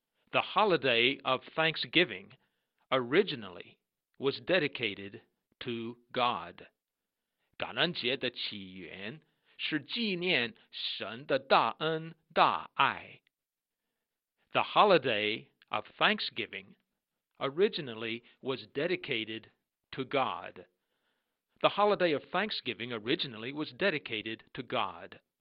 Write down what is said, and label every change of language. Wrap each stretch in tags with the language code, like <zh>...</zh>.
<en>The holiday of Thanksgiving originally was dedicated to God.</en> <zh>感恩节的起源是纪念神的大恩大爱。</zh> <en>The holiday of Thanksgiving originally was dedicated to God. The holiday of Thanksgiving originally was dedicated to God.</en>